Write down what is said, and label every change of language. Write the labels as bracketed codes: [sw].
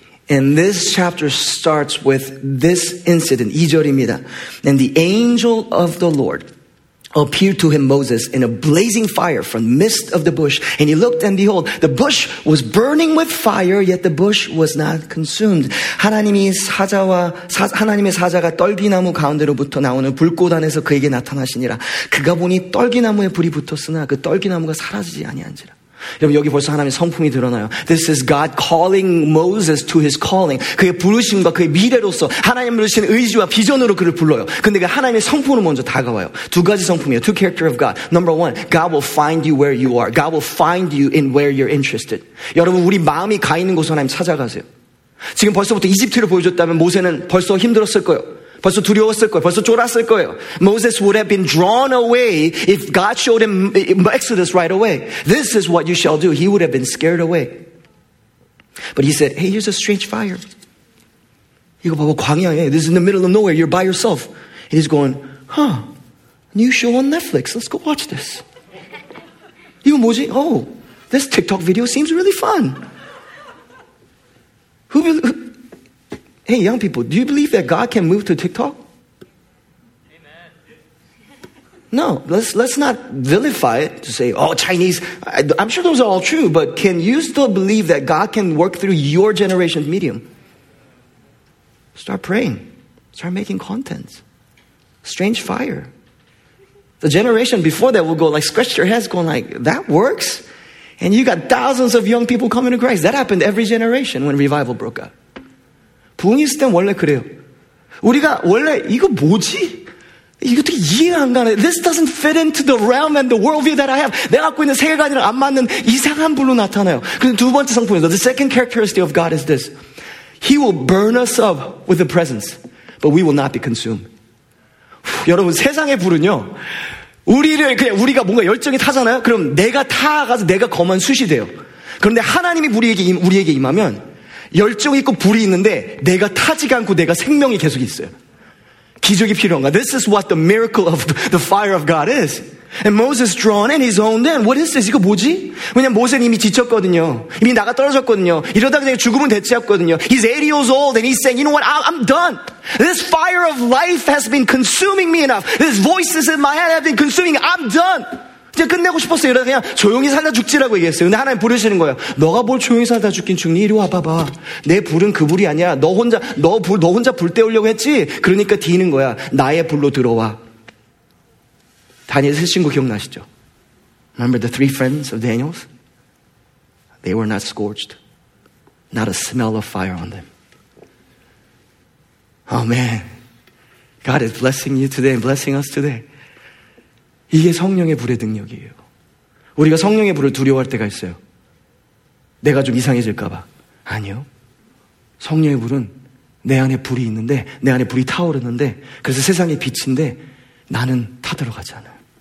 [en] And this chapter starts with this incident, [ko] 2절입니다. [en] And the angel of the Lord appeared to him, Moses, in a blazing fire from the midst of the bush. And he looked, and behold, the bush was burning with fire, yet the bush was not consumed. [ko] 하나님의 사자가 떨기나무 가운데로부터 나오는 불꽃 안에서 그에게 나타나시니라. 그가 보니 떨기나무에 불이 붙었으나 그 떨기나무가 사라지지 아니한지라. 여러분 여기 벌써 하나님의 성품이 드러나요. [en] This is God calling Moses to his calling. [ko] 그의 부르심과 그의 미래로서 하나님 부르신 의지와 비전으로 그를 불러요. 근데 그 하나님의 성품으로 먼저 다가와요. 두 가지 성품이에요. [en] Two character of God. Number one, God will find you where you are. God will find you in where you're interested. [ko] 여러분 우리 마음이 가 있는 곳을 하나님 찾아가세요. 지금 벌써부터 이집트를 보여줬다면 모세는 벌써 힘들었을 거예요. 벌써 두려웠을 거예요. 벌써 쫄았을 거예요. [en] Moses would have been drawn away if God showed him Exodus right away. This is what you shall do. He would have been scared away. But he said, hey, here's a strange fire. [ko] 이거 봐봐, 광야에. [en] This is in the middle of nowhere. You're by yourself. And he's going, huh, new show on Netflix. Let's go watch this. [ko] 이거 뭐지? [en] Oh, this TikTok video seems really fun. Hey, young people, do you believe that God can move to TikTok? No, let's not vilify it to say, oh, Chinese. I'm sure those are all true, but can you still believe that God can work through your generation's medium? Start praying. Start making contents. Strange fire. The generation before that will go like, scratch their heads going like, that works? And you got thousands of young people coming to Christ. That happened every generation when revival broke out. [ko] 부흥이 있을 땐 원래 그래요. 우리가 원래 이거 뭐지? 이거 되게 이해가 안 가네. [en] This doesn't fit into the realm and the worldview that I have. [ko] 내가 갖고 있는 세계관이랑 안 맞는 이상한 불로 나타나요. 그럼 두 번째 성품이죠. [en] The second characteristic of God is this. He will burn us up with the presence, but we will not be consumed. [ko] 여러분, 세상의 불은요, 우리를 그냥 우리가 뭔가 열정이 타잖아요. 그럼 내가 타가서 내가 거만 숯이 돼요. 그런데 하나님이 우리에게 임하면 열정 있고 불이 있는데 내가 타지가 않고 내가 생명이 계속 있어요. 기적이 필요한가? [en] This is what the miracle of the fire of God is. And Moses drawn in his own land. What is this? [ko] 이거 뭐지? 왜냐면 모세는 이미 지쳤거든요. 이미 나가 떨어졌거든요. 이러다 그냥 죽으면 대체였거든요. [en] He's 80 years old and he's saying, you know what? I'm done. This fire of life has been consuming me enough. These voices in my head have been consuming me. I'm done. [ko] 이제 끝내고 싶었어요. 이러다 그냥 조용히 살다 죽지라고 얘기했어요. 근데 하나님 부르시는 거예요. 너가 뭘 조용히 살다 죽긴 죽니? 이리 와봐봐. 내 불은 그 불이 아니야. 너 혼자 불 때우려고 했지? 그러니까 뒤는 거야. 나의 불로 들어와. 다니엘 세 친구 기억나시죠? [en] Remember the three friends of Daniel's? They were not scorched. Not a smell of fire on them. Oh man. God is blessing you today and blessing us today. [ko] 이게 성령의 불의 능력이에요. 우리가 성령의 불을 두려워할 때가 있어요. 내가 좀 이상해질까봐. 아니요. 성령의 불은 내 안에 불이 있는데, 내 안에 불이 타오르는데, 그래서 세상의 빛인데 나는 타들어가지 않아요.